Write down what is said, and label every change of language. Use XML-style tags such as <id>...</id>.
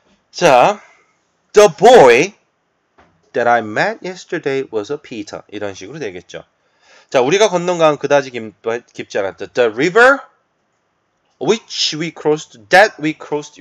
<en>자, The boy that I met yesterday was a Peter.</en> <ko>이런 식으로 되겠죠. 자, 우리가 건넌 강은 그다지 깊지 않았다.</ko> <en>The river which we crossed, that we crossed.</en>